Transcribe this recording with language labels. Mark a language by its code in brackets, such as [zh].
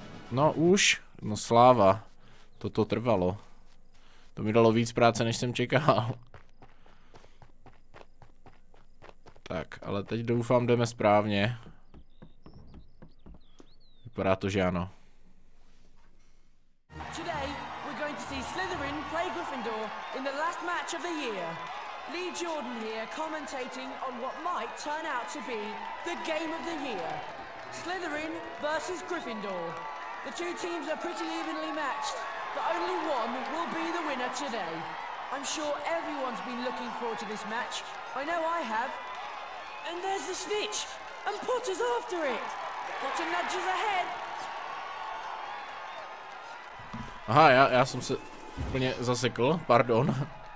[cs] No už, no sláva, toto trvalo. To mi dalo víc práce, než jsem čekal. Tak, ale teď doufám, jdeme správně. Vypadá to, že ano. [en] Today we're going to see Slytherin play Gryffindor in the last match of the year. Lee Jordan here commentating on what might turn out to be the game of the year. Slytherin versus Gryffindor. The two teams are pretty evenly matched, but only one will be the winner today. I'm sure everyone's been looking forward to this match. I know I have. And there's the Snitch, and Potter's after it. Potter nudges ahead. [cs] Aha, já jsem se úplně zasekl, pardon.